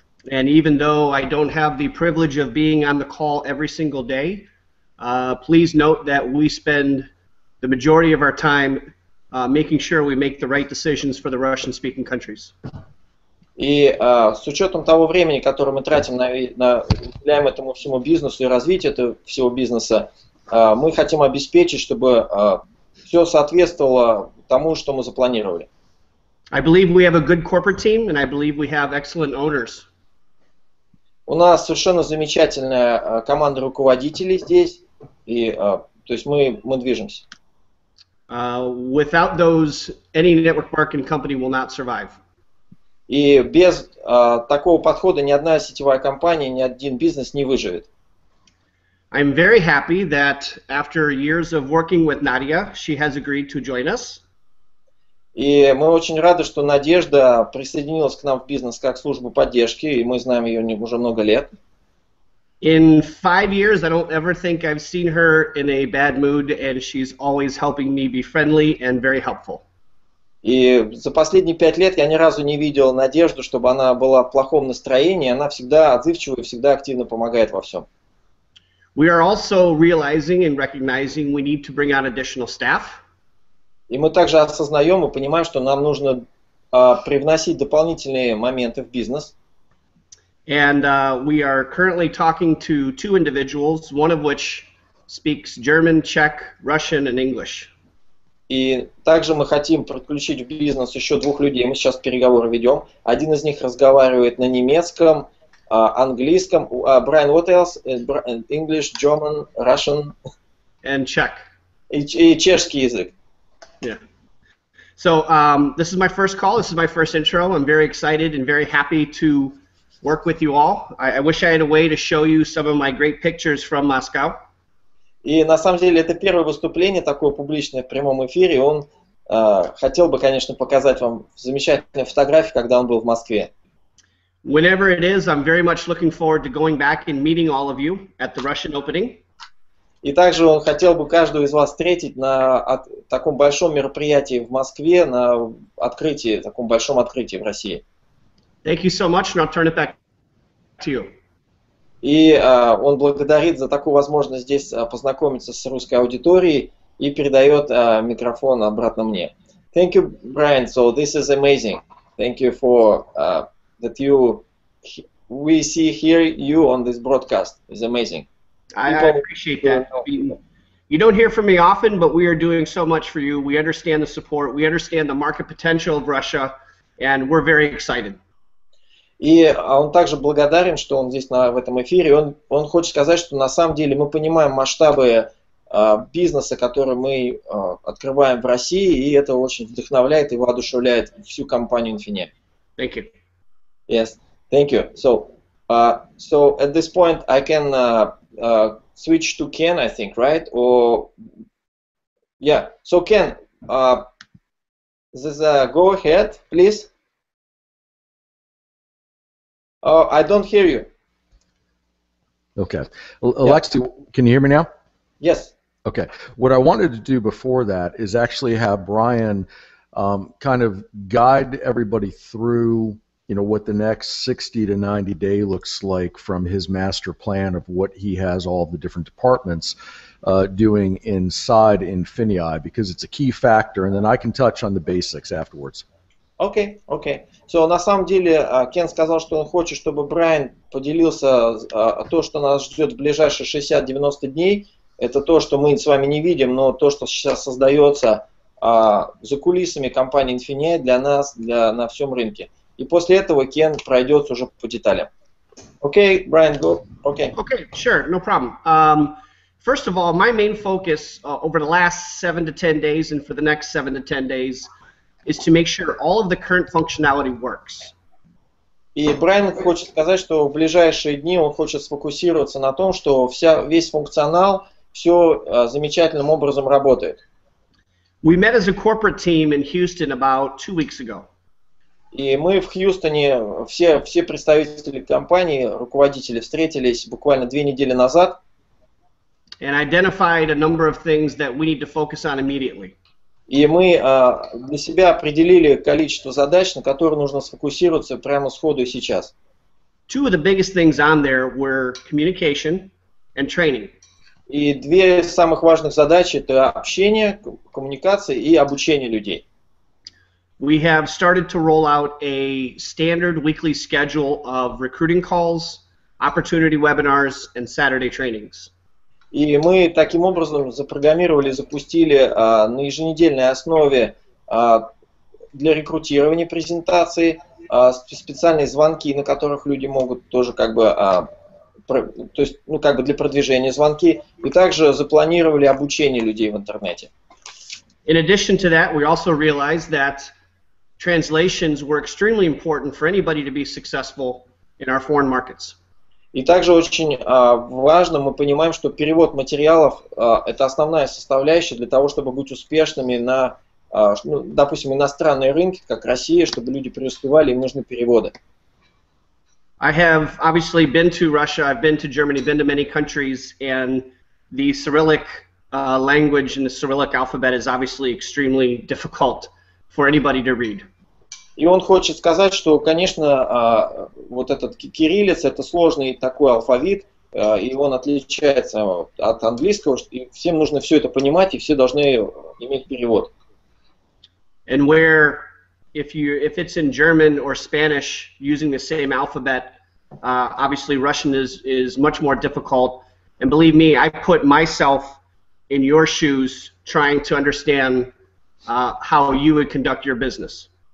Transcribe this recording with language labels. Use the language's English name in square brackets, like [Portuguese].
[English] And even though I don't have the privilege of being on the call every single day, please note that we spend the majority of our time making sure we make the right decisions for the Russian-speaking countries. [Russian] И с учетом того времени, которое мы тратим на уделяем этому всему бизнесу и развитию этого всего бизнеса, мы хотим обеспечить, чтобы все соответствовало тому, что мы запланировали. [English] I believe we have a good corporate team, and I believe we have excellent owners. [Russian] У нас совершенно замечательная команда руководителей здесь, и то есть мы движемся. [English] Without those, any network marketing company will not survive. [Russian] И без такого подхода ни одна сетевая компания, ни один бизнес не выживет. [English] I'm very happy that after years of working with Nadia, she has agreed to join us. [Russian] И мы очень рады, что Надежда присоединилась к нам в бизнес как службу поддержки, и мы знаем ее уже много лет. [English] In 5 years, I don't ever think I've seen her in a bad mood, and she's always helping me be friendly and very helpful. [Russian] И за последние 5 лет я ни разу не видел надежду, чтобы она была в плохом настроении. Она всегда отзывчива и всегда активно помогает во всем. [English] We are also realizing and recognizing we need to bring on additional staff. [Russian] И мы также осознаем и понимаем, что нам нужно привносить дополнительные моменты в бизнес. [English] And we are currently talking to two individuals, one of which speaks German, Czech, Russian, and English. [Russian] И также мы хотим подключить в бизнес еще двух людей. Мы сейчас переговоры ведем. Один из них разговаривает на немецком, английском. [English] Brian, what else? English, German, Russian? And Czech. [Russian] И чешский язык. [English] Yeah. So this is my first call. This is my first intro. I'm very excited and very happy to work with you all. I wish I had a way to show you some of my great pictures from Moscow. [Russian] И на самом деле это первое выступление такое публичное в прямом эфире. Он хотел бы, конечно, показать вам замечательные фотографии, когда он был в Москве. [English] Whenever it is, I'm very much looking forward to going back and meeting all of you at the Russian opening. [Russian] И также он хотел бы каждого из вас встретить на таком большом мероприятии в Москве, на открытии, таком большом открытии в России. [English] Thank you so much, and I'll turn it back to you. [Russian] И он благодарит за такую возможность здесь познакомиться с русской аудиторией и передает микрофон обратно мне. [English] Thank you, Brian. So this is amazing. Thank you for that you we see here you on this broadcast. It's amazing. I appreciate that. You don't hear from me often, but we are doing so much for you. We understand the support. We understand the market potential of Russia, and we're very excited. [Russian] И он также благодарен, что он здесь в этом эфире. Он хочет сказать, что на самом деле мы понимаем масштабы бизнеса, который мы открываем в России, и это очень вдохновляет и воодушевляет всю компанию Infineon. [English] Thank you. Yes, thank you. So, so at this point I can switch to Ken, I think, right? Or yeah. So Ken, this, go ahead, please. Oh, I don't hear you. Okay. Alexi, yeah. Can you hear me now? Yes. Okay. What I wanted to do before that is actually have Brian kind of guide everybody through, you know, what the next 60 to 90 day looks like from his master plan of what he has all the different departments doing inside Infineon, because it's a key factor, and then I can touch on the basics afterwards. [Russian] Окей, окей. Все, на самом деле, Кен сказал, что он хочет, чтобы Брайан поделился то, что нас ждет в ближайшие 60-90 дней. Это то, что мы с вами не видим, но то, что сейчас создается за кулисами компании Infineon для нас, для на всем рынке. И после этого Кен пройдется уже по деталям. Окей, Брайан, [English] go. [Russian] Окей. [English] Окей, sure, no problem. First of all, my main focus over the last 7-10 days and for the next 7-10 days is to make sure all of the current functionality works. [Russian] И Брайан хочет сказать, что в ближайшие дни он хочет сфокусироваться на том, что весь функционал все замечательным образом работает. [English] We met as a corporate team in Houston about 2 weeks ago. [Russian] И мы в Хьюстоне все представители компании, руководители встретились буквально 2 недели назад. [English] And identified a number of things that we need to focus on immediately. [Russian] И мы для себя определили количество задач, на которые нужно сфокусироваться прямо сходу и сейчас. [English] Two of the biggest things on there were communication and training. [Russian] И две самых важных задачи – это общение, коммуникации и обучение людей. [English] We have started to roll out a standard weekly schedule of recruiting calls, opportunity webinars, and Saturday trainings. [Russian] И мы таким образом запрограммировали, запустили на еженедельной основе для рекрутирования презентации специальные звонки, на которых люди могут тоже как бы, то есть, ну, как бы для продвижения звонки, и также запланировали обучение людей в интернете. [English] In addition to that, we also realized that translations were extremely important for anybody to be successful in our foreign markets. [Russian] И также очень важно, мы понимаем, что перевод материалов – это основная составляющая для того, чтобы быть успешными на, ну, допустим, иностранные рынки, как Россия, чтобы люди преуспевали, им нужны переводы. [English] I have obviously been to Russia, I've been to Germany, been to many countries, and the Cyrillic language and the Cyrillic alphabet is obviously extremely difficult for anybody to read. [Russian] И он хочет сказать, что, конечно, вот этот кириллица — это сложный такой алфавит, и он отличается от английского, и всем нужно все это понимать, и все должны иметь перевод. [English] And where, if it's in German or Spanish, using the same alphabet, obviously Russian is much more difficult. And believe me, I put myself in your shoes trying to understand how you would conduct your business.